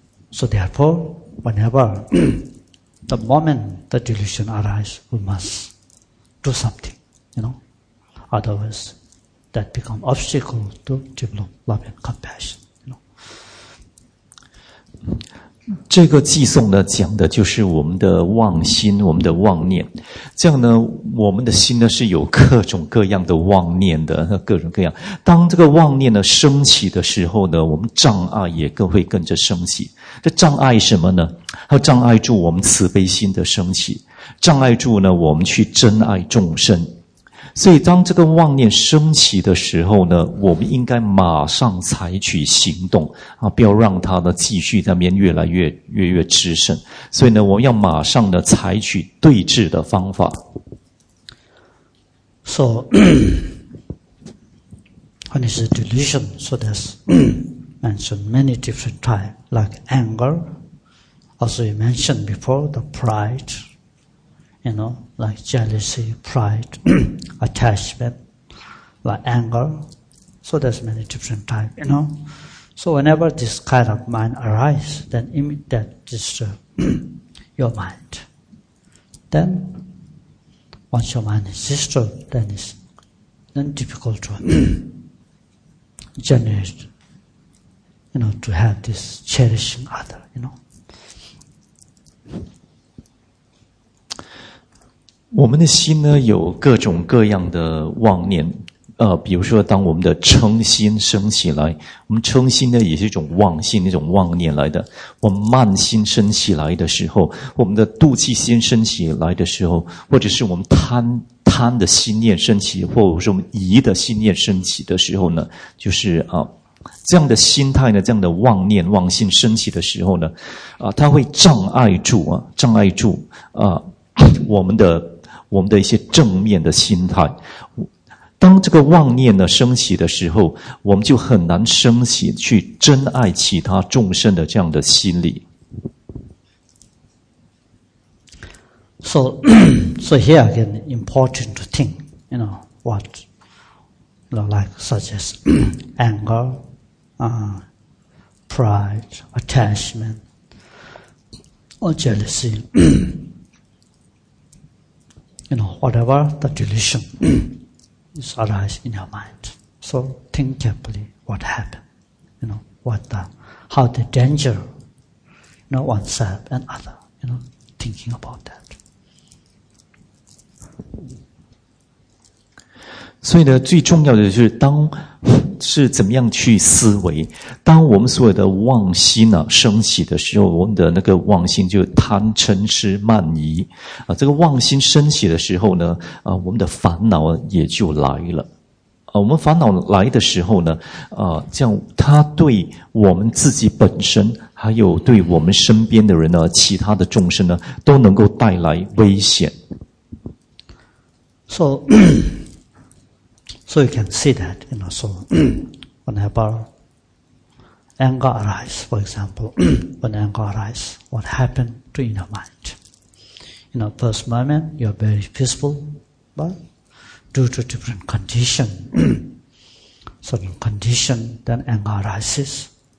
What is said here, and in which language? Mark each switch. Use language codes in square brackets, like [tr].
[en] So therefore, whenever the moment the delusion arises, we must do something, you know. Otherwise, that become obstacle to develop love and compassion, you know. [zh] 这个偈颂呢，讲的就是我们的妄心，我们的妄念。这样呢，我们的心呢是有各种各样的妄念的，各种各样。当这个妄念呢升起的时候呢，我们障碍也更会跟着升起。这障碍什么呢？它障碍住我们慈悲心的升起，障碍住呢我们去珍爱众生。所以，当这个妄念升起的时候呢，我们应该马上采取行动啊，不要让它呢继续在那边越来越滋生。所以呢，我们要马上呢采取对治的方法。 [en] So, when it's a delusion, so there's mentioned many different types, like anger. Also, you mentioned before the pride. You know, like jealousy, pride, attachment, like anger. So there's many different types, you know. So whenever this kind of mind arises, then immediately disturb your mind. Then, once your mind is disturbed, then it's then difficult to generate, you know, to have this cherishing other, you know. [zh] 我们的心呢有各种各样的妄念，比如说当我们的嗔心升起来，我们嗔心呢也是一种妄心，一种妄念来的。我们慢心升起来的时候，我们的妒忌心升起来的时候，或者是我们贪的心念升起，或者是我们疑的心念升起的时候呢，就是啊，这样的心态呢，这样的妄念妄心升起的时候呢，啊，它会障碍住啊，障碍住啊，我们的一些正面的心态，当这个妄念呢升起的时候，我们就很难升起去珍爱其他众生的这样的心理。 [en] So here again, important to think, you know, what, you know, like such as anger, pride, attachment, or jealousy. You know, whatever the delusion is arise in your mind. So think carefully what happened. You know, how the danger, you know, oneself and other, you know, thinking about that. [zh] 所以呢，最重要的就是当是怎么样去思维。当我们所有的妄心呢、升起的时候，我们的那个妄心就贪嗔痴慢疑啊。这个妄心升起的时候呢，啊，我们的烦恼也就来了。啊，我们烦恼来的时候呢，啊，这样它对我们自己本身，还有对我们身边的人呢、其他的众生呢，都能够带来危险。 [en] So. So you can see that, you know, so whenever anger arises, for example, when anger arises, what happened to inner mind? You know, first moment, you're very peaceful, but due to different condition, certain condition, then anger arises.